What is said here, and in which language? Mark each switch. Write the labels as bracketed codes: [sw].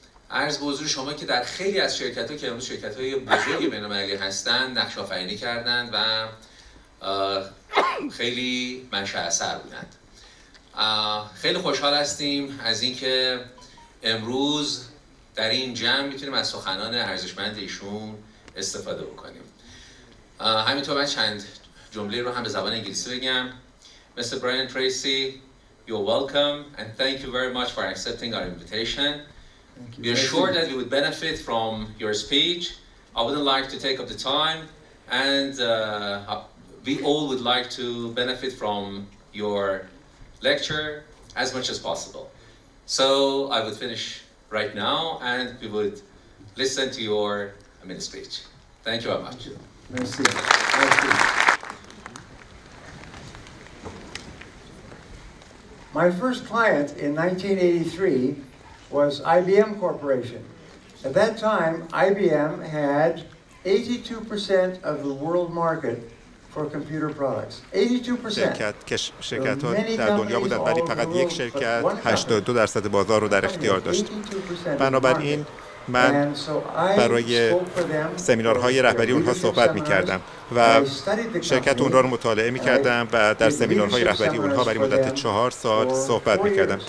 [fa] عرض به حضور شما که در خیلی از شرکت‌ها که امروز شرکت‌های بزرگ بین‌المللی هستند نقش آفرینی کردند و خیلی منشأ اثر بودند. خیلی خوشحال هستیم از اینکه امروز در این جمع میتونیم از سخنان ارزشمند ایشون استفاده بکنیم. همینطور من چند جمله رو هم به زبان انگلیسی بگم. مستر برایان تریسی، [en] you're welcome and thank you very much for accepting our invitation. We are sure that we would benefit from your speech. I wouldn't like to take up the time, and we all would like to benefit from your lecture as much as possible. So I would finish right now, and we would listen to your amazing speech. Thank you very much. [fr] Merci. Merci. [en] My first client in 1983 was IBM Corporation. At that time, IBM had 82% of the world market for computer products. 82%. [fa] شرکت ها در دنیا بودند ولی فقط یک شرکت 82% بازار رو در اختیار داشت. بنابراین من برای سمینارهای رهبری اونها صحبت می‌کردم و شرکت اونها رو مطالعه می‌کردم و در سمینارهای رهبری اونها برای مدت 4 سال صحبت می‌کردم.